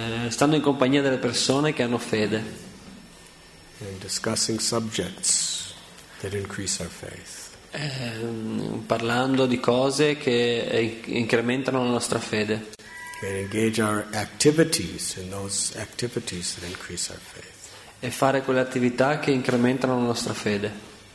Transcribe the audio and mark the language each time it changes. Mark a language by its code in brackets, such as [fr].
[it] Stando in compagnia delle persone che hanno fede. [en] And discussing subjects that increase our faith. [it] Parlando di cose che incrementano la nostra fede. [en] And engage our activities in those activities that increase our faith. [it] E fare quelle attività che incrementano la nostra fede.